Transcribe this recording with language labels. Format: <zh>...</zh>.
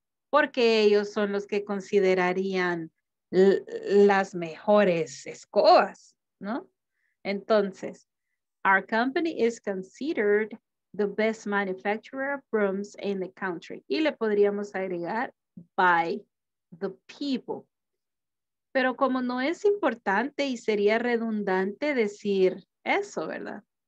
<es>Porque ellos son los que considerarían las mejores escobas, ¿no?</es> <en>Entonces, our company is considered the best manufacturer of brooms in the country.</en> <es>Y le podríamos agregar</es> <en>by the people.</en> <es>Pero como no es importante y sería redundante decir eso, ¿verdad?</es>